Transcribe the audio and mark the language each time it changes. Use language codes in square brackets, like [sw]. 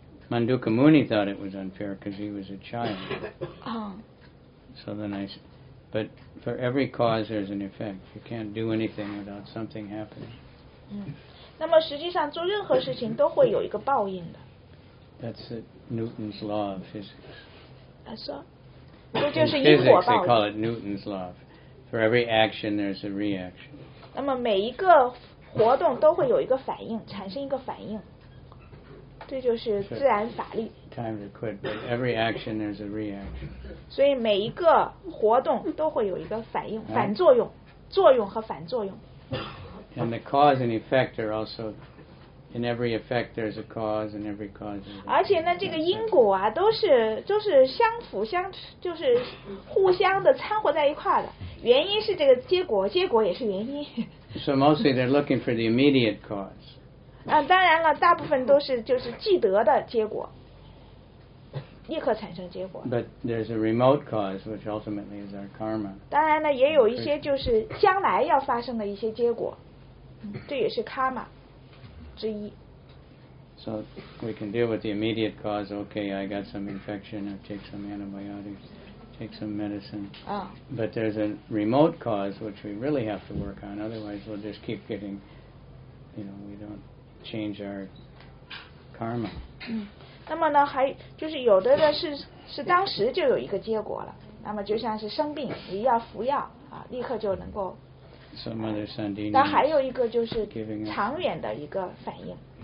[en] Mandukamuni thought it was unfair because he was a child. So then I said,But for every cause, there's an effect. You can't do anything without something happening. [zh] 那么实际上做任何事情都会有一个报应的。 [en] That's Newton's law of physics. That's all. [zh] 这就是因果报应。 [en] In physics, they call it Newton's law. For every action, there's a reaction. [zh] 那么每一个活动都会有一个反应，产生一个反应。这就是自然法律。 [en] Time to quit, but every action there's a reaction. [zh] 所以每一个活动都会有一个反应、反作用、作用和反作用。 [en] And the cause and effect are also in every effect there's a cause and every cause. [zh] 而且呢，这个因果啊，都是相辅相，就是互相的掺和在一块的。原因是这个结果，结果也是原因。 [en] So mostly they're looking for the immediate cause. [zh] 当然了，大部分都是就是既得的结果。立刻产生结果。 [en] But there's a remote cause which ultimately is our karma. [zh] 当然呢，也有一些就是将来要发生的一些结果，这也是 karma 之一。 [en] So we can deal with the immediate cause. Okay, I got some infection. I take some antibiotics. Take some medicine. But there's a remote cause which we really have to work on. Otherwise, we'll just keep getting, you know, we don't change our karma. [zh] 那么呢，还就是有的呢是当时就有一个结果了。那么就像是生病，你要服药啊，立刻就能够。 [en] Some other Sandini. [zh] 但还有一个就是长远的一个反应。